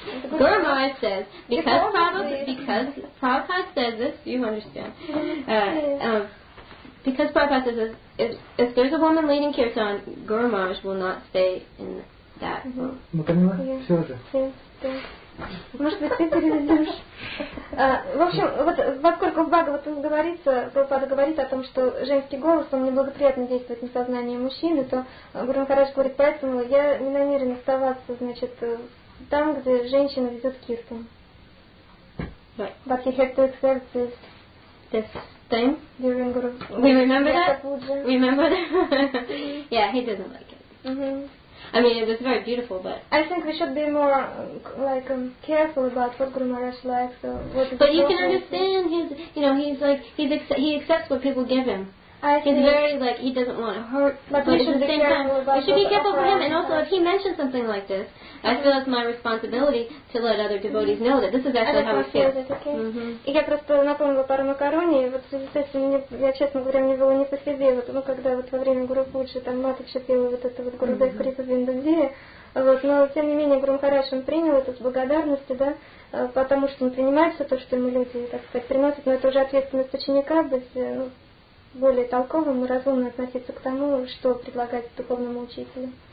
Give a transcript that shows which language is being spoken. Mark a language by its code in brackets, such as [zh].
[en] Guru Maharaj says, because Prabhupada says this, if there's a woman leading kirtan, Guru Maharaj will not stay in that room. [ru] Мы понимаем, все же. [en] Thank you. [ru] Может быть, ты переведешь. В общем, вот во сколько в Бхагаватам говорится, Прабхупада говорит о том, что женский голос, он неблагоприятно действует на сознание мужчины, то Гуру Махарадж говорит, поэтому я не намерен оставаться, значит, там, где женщина везет киртан. [en] But you have to accept this. This thing? During Guru. We remember that? Yeah, he doesn't like it. Mm-hmm. I mean, it was very beautiful, but... I think we should be more, like, careful about what Guru Maharaj likes. Or what but you can understand, he's, you know, he's like, he's he accepts what people give him. I he's very, like, he doesn't want to hurt. But we should at the same time, we should be careful for him. And also, if he mentions something like this, I feel it's my responsibility to let other devotees know that this is actually how we feel. [ru] И я просто напомнила пару макарони, и вот в связи с этим, я, честно говоря, мне было не по себе, вот, ну, когда вот во время Гуру Пуджи, там, Матыча пела вот это вот Гуру Дэй Фрита Виндандия, вот, но, тем не менее, Гуру Махарадж принял это с благодарностью, да, потому что он принимает все то, что ему люди, так сказать, приносят, но это уже ответственность ученика, быть, ну, более толковым и разумно относиться к тому, что предлагать духовному учителю.